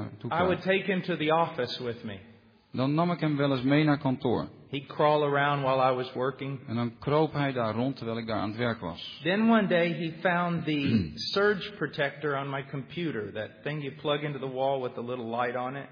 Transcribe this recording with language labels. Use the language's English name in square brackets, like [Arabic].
[English] I would take him to the office with me. [Dutch] Dan nam ik hem wel eens mee naar kantoor. [English] He'd crawl around while I was working. [Dutch] En dan kroop hij daar rond terwijl ik daar aan het werk was. [English] Then one day he found the surge protector on my computer, that thing you plug into the wall with the little light on it.